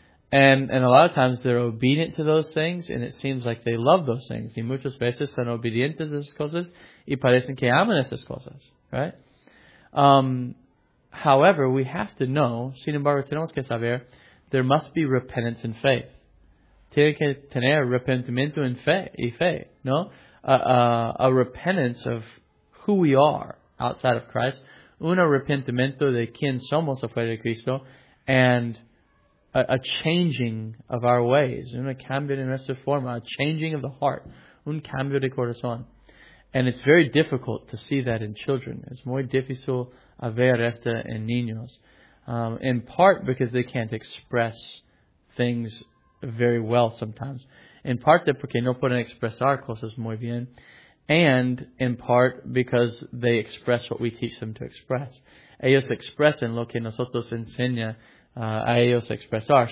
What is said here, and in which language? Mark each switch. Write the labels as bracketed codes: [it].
[en] And a lot of times they're obedient to those things, and it seems like they love those things. [es] Y muchas veces son obedientes a esas cosas, y parecen que aman esas cosas. Right? [en] However, we have to know, [es] sin embargo, tenemos que saber, [en] there must be repentance and faith. [es] Tiene que tener arrepentimiento en fe, y fe, ¿no? [en] A repentance of who we are outside of Christ. [es] Un arrepentimiento de quién somos afuera de Cristo. [en] And a changing of our ways. [es] Un cambio de nuestra forma. [en] A changing of the heart. [es] Un cambio de corazón. [en] And it's very difficult to see that in children. It's [es] muy difícil a ver esto en niños. [en] In part because they can't express things very well sometimes. [es] En parte porque no pueden expresar cosas muy bien. [en] And in part because they express what we teach them to express. [es] Ellos expresan lo que nosotros enseña a ellos expresar.